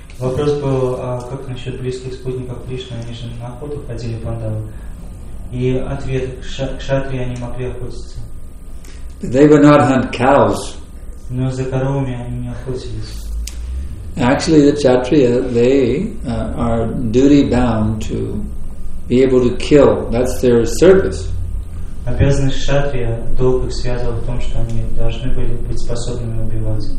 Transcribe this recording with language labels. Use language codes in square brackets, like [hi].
[ru] Вопрос был, как насчет близких спутников Кришны, они же на охоту ходили, пандавы. И ответ, кшатри они могли охотиться. [en] They would not hunt cows. [ru] Но за коровами они не охотились. [en] Actually, the kshatriya, they are duty-bound to be able to kill. That's their service. [ru] Обязанность кшатрия долг их связывала в том, что они должны были быть способными убивать.